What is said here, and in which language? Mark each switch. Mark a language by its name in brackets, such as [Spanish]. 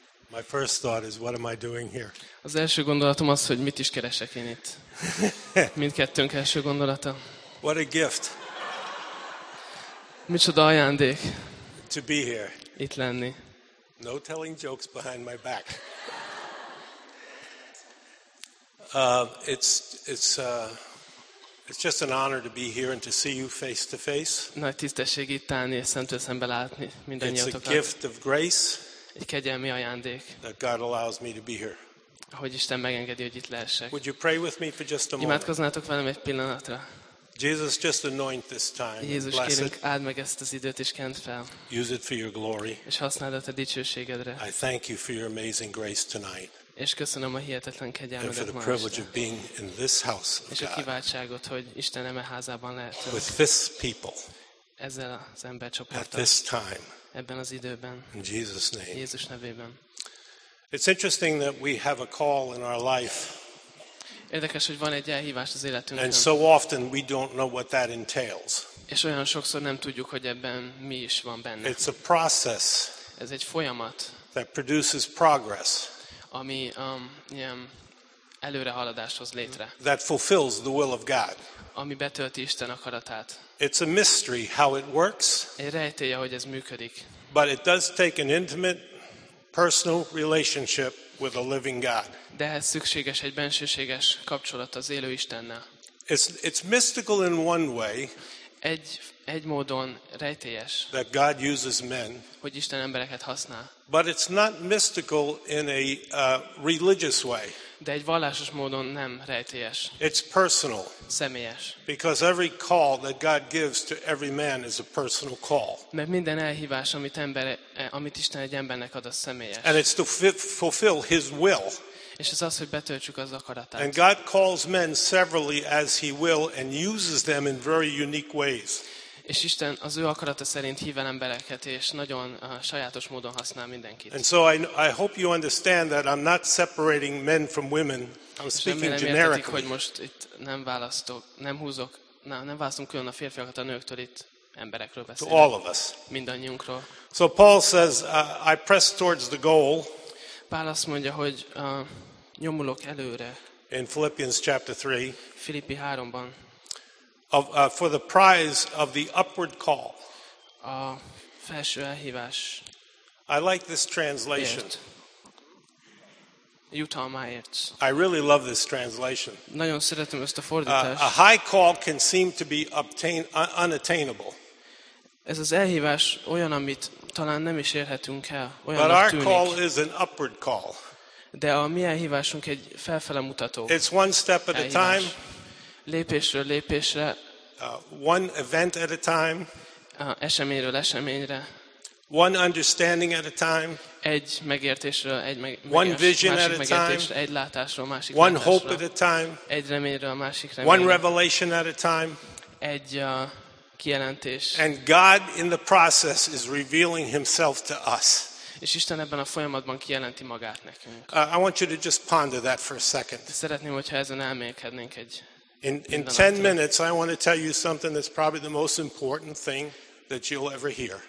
[English] My first thought is, what am I doing here? [Hungarian] Az első gondolatom az, hogy mit is keresek én itt. Mindkettőnk első gondolata. [English] What a gift. [Hungarian] Micsoda ajándék. [English] To be here. [Hungarian] Itt lenni. [English] No telling jokes behind my back. It's just an honor to be here and to see you face to face. [Hungarian] Nagy tisztesség itt állni és szemtől szembe látni mindannyiótokat. [English] It's a gift of grace. [Hungarian] Egy kegyelmi ajándék. [English] That God allows me to be here. [Hungarian] Hogy Isten megengedi, hogy itt lehessek. [English] Would you pray with me for just a moment? [Hungarian] Imádkoznátok velem egy pillanatra. [English] Jesus, just anoint this time. [Hungarian] Jézus, kérünk, áld meg ezt az időt és kent fel. [English] Use it for your glory. [Hungarian] És használd a te dicsőségedre. [English] I thank you for your amazing grace tonight. [Hungarian] És köszönöm a hihetetlen kegyelmedet ma este. [English] The privilege of being in this house. [Hungarian] És a kiváltságot, hogy Isten eme házában lehetünk. [English] With this people. [Hungarian] Ezzel az embercsoporttal. [English] At this time. [Hungarian] Ebben az időben. [English] In Jesus' name. [Hungarian] Jézus nevében. [English] It's interesting that we have a call in our life. [Hungarian] Érdekes, hogy van egy elhívás az életünkben. [English] And so often we don't know what that entails. [Hungarian] És olyan sokszor nem tudjuk, hogy ebben mi is van benne. [English] It's a process. [Hungarian] Ez egy folyamat. [English] That produces progress. [Hungarian] Ami ilyen előrehaladáshoz létre. [English] That fulfills the will of God. [Hungarian] Ami betölti Isten akaratát. [English] It's a mystery how it works. [Hungarian] Egy rejtélye, hogy ez működik. [English] But it does take an intimate personal relationship with a living God. [Hungarian] De ehhez szükséges egy bensőséges kapcsolat az élő Istennel. [English] It's mystical in one way. [Hungarian] Egy módon rejtélyes. [English] That God uses men. [Hungarian] Hogy Isten embereket használ. [English] But it's not mystical in a religious way. [Hungarian] De egy vallásos módon nem rejtélyes. [English] It's personal. [Hungarian] Személyes. [English] Because every call that God gives to every man is a personal call. [Hungarian] Mert minden elhívás, amit Isten egy embernek ad, az személyes. [English] And it's to fulfill his will. [Hungarian] És ez az, hogy betöltsük az akaratát. [English] And God calls men severally as he will and uses them in very unique ways. [Hungarian] És Isten az ő akarata szerint hív el embereket, és nagyon sajátos módon használ mindenkit. [English] And so I hope you understand that I'm not separating men from women. I'm speaking generically. [Hungarian] Hogy most itt nem választom külön a férfiakat a nőktől, itt emberekről beszélek. [English] To all of us. [Hungarian] Mindannyiunkról. [English] So Paul says, I press towards the goal. [Hungarian] Pál azt mondja, hogy nyomulok előre. [English] In Philippians chapter 3. [Hungarian] Filippi 3-ban. [English] For the prize of the upward call. [Hungarian] A felső elhívás. [English] I like this translation. [Hungarian] Jutalmáért. [English] I really love this translation. [Hungarian] Nagyon szeretem ezt a fordítást. [English] A high call can seem to be unattainable. [Hungarian] Ez az elhívás olyan, amit talán nem is érhetünk el. Olyan, [English] but our [Hungarian] tűnik. [English] Call is an upward call. [Hungarian] De a mi elhívásunk egy felfele mutató. [English] It's one step at [Hungarian] elhívás. [English] A time. [Hungarian] Lépésről lépésre. [English] One event at a time. [Hungarian] Eseményről eseményre. [English] One understanding at a time. [Hungarian] Egy megértésről egy [English] one vision [Hungarian] másik [English] at a time. [Hungarian] Egy látásról másik [English] one [Hungarian] látásról. [English] One hope at a time. [Hungarian] Egy reményről másik reményre. [English] One revelation at a time. [Hungarian] Egy kijelentés. [English] And God in the process is revealing himself to us. [Hungarian] És Isten ebben a folyamatban kijelenti magát nekünk. [English] I want you to just ponder that for a second. [Hungarian] Szeretném, hogyha ezen elmélkednénk egy [English] In 10 minutes I want to tell you something that's probably the most important thing that you'll ever hear.